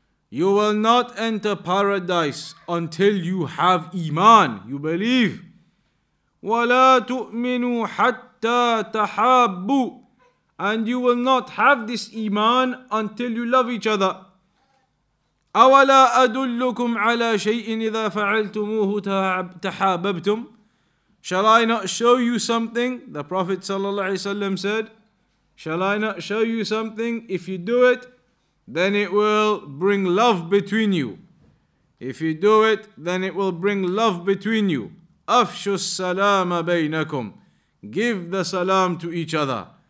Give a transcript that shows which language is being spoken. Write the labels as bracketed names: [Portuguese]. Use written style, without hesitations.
[English] You will not enter paradise until you have iman, you believe. [Arabic] ولا تؤمنوا حتى تحابوا. [English] And you will not have this iman until you love each other. [Arabic] أولا أدلكم على شيء إذا فعلتموه تحاببتم. [English] Shall I not show you something? The Prophet sallallahu alaihi wasallam said, shall I not show you something? If you do it, then it will bring love between you. If you do it, then it will bring love between you. [Arabic] Afshu salama baynakum. [English] Give the salam to each other.